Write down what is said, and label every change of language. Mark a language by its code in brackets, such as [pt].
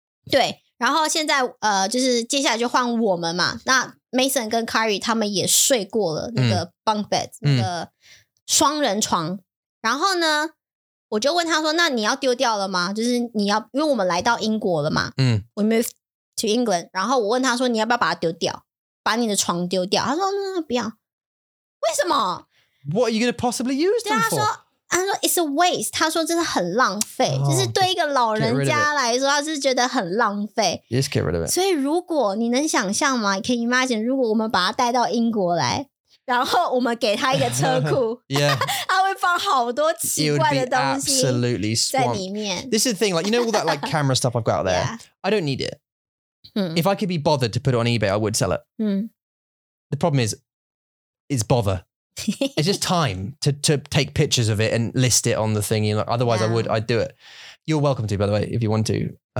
[zh] 对，然后现在就换我们嘛。那 Mason 跟 Kari 他们也睡过了那个 bunk bed 那个双人床。然后呢，我就问他说：“那你要丢掉了吗？就是你要，因为我们来到英国了嘛。” [en] We moved to England. [zh] 然后我问他说：“你要不要把它丢掉，把你的床丢掉？”他说：“不要。”为什么 [en] ？What are you going to possibly use them for？ [zh] 他说 [en] it's a waste. [zh] 他说这是很浪费， oh, 就是对一个老人家来说，他是觉得很浪费。 [en] Just get rid of it. [zh] 所以如果你能想象吗？ [en] Can you imagine? [zh] 如果我们把他带到英国来，然后我们给他一个车库， [en] yeah, [zh] 他会放好多奇怪的东西在里面。 [en] This is the thing. Like you know all that like camera stuff I've got out there. Yeah. I don't need it. If I could be bothered to put it on eBay, I would sell it. The problem is, it's bother. It's just time to take pictures of it and list it on the thing. You know, otherwise, yeah. I'd do it. You're welcome to, by the way, if you want to.